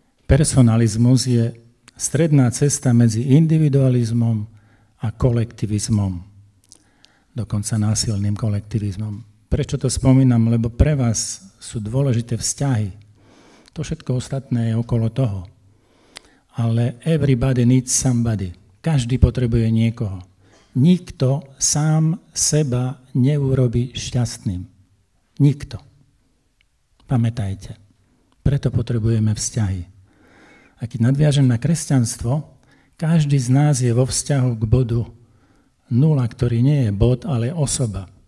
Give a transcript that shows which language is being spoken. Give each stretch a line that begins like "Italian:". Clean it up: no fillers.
Slovak: Personalizmus je stredná cesta medzi individualizmom a kolektivizmom. Dokonca násilným kolektivizmom. Prečo to spomínam? Lebo pre vás sú dôležité vzťahy. To všetko ostatné je okolo toho.
English: Ale everybody needs somebody.
Slovak: Každý potrebuje niekoho. Nikto sám seba neurobi šťastným. Nikto. Pamätajte. Preto potrebujeme vzťahy. A keď nadviažem na kresťanstvo, každý z nás je vo vzťahu k bodu nula, ktorý nie je bod, ale osoba.